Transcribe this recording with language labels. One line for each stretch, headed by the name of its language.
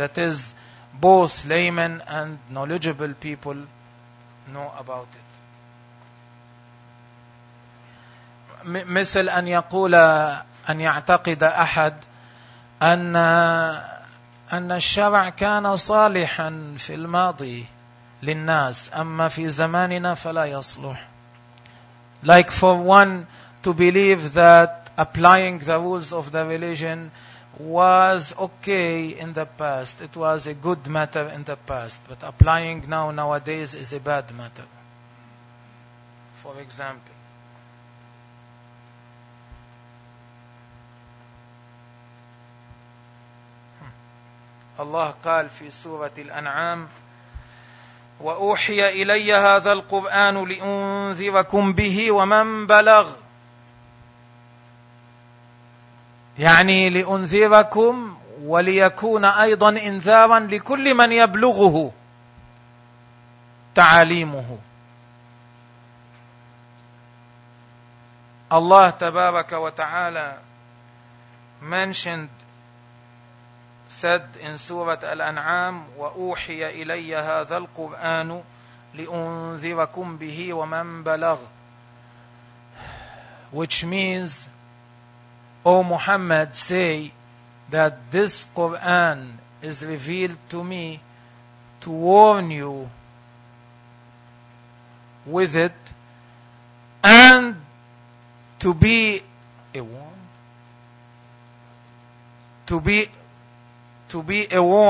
English: That is, both laymen and knowledgeable people know about it.
Arabic: مثل أن يقول أن يعتقد أحد أن الشرع كان صالحا في الماضي للناس أما في زماننا فلا يصلح.
English: Like for one to believe that applying the rules of the religion was okay in the past, it was a good matter in the past, but applying nowadays is a bad matter. For example,
Arabic: الله قال في سورة الأنعام وأوحي إلي هذا القرآن لأنذركم به ومن بلغ. يعني لأنذركم وليكون أيضا إنذارا لكل من يبلغه تعاليمه. الله تبارك وتعالى
English: mentioned, said in Surah Al-An'am,
Arabic: وَأُوحِيَ إِلَيَّ هَذَا الْقُرْآنُ لِأُنذِرَكُمْ بِهِ وَمَنْ بَلَغْ.
English: Which means, O Muhammad, say that this Qur'an is revealed to me to warn you with it and to be a warn, to be a